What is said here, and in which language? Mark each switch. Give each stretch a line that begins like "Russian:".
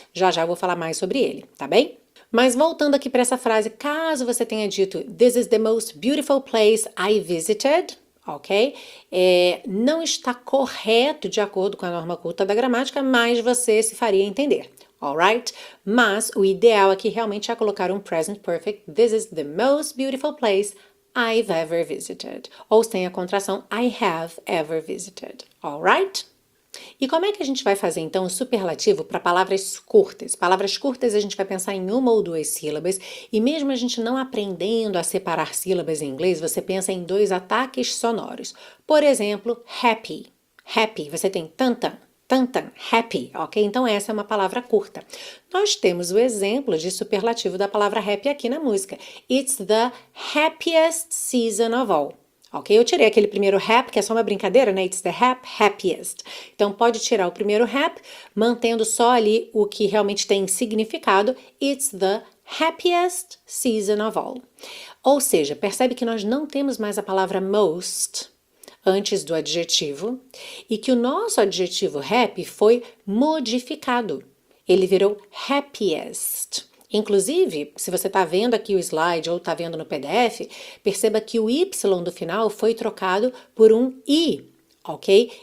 Portuguese: Já já eu vou falar mais sobre ele, tá bem? Mas voltando aqui para essa frase, caso você tenha dito
English: This is the most beautiful place I visited.
Portuguese: Ok? Não está correto de acordo com a norma culta da gramática, mas você se faria entender.
English: All right?
Portuguese: Mas o ideal aqui realmente é colocar um present perfect.
English: This is the most beautiful place I've ever visited.
Portuguese: Ou sem a contração
English: I have ever visited. All right?
Portuguese: E como é que a gente vai fazer então o superlativo para palavras curtas? Palavras curtas a gente vai pensar em uma ou duas sílabas, e mesmo a gente não aprendendo a separar sílabas em inglês, você pensa em dois ataques sonoros. Por exemplo, happy. Happy, você tem tantan, tantan, happy, ok? Então essa é uma palavra curta. Nós temos o exemplo de superlativo da palavra happy aqui na música.
English: It's the happiest season of all.
Portuguese: Ok, eu tirei aquele primeiro rap, que é só uma brincadeira, né?
English: It's the happiest.
Portuguese: Então pode tirar o primeiro rap, mantendo só ali o que realmente tem significado.
English: It's the happiest season of all.
Portuguese: Ou seja, percebe que nós não temos mais a palavra most antes do adjetivo e que o nosso adjetivo happy foi modificado. Ele virou happiest. Inclusive, se você está vendo aqui o slide ou está vendo no PDF, perceba que o Y do final foi trocado por um I, ok?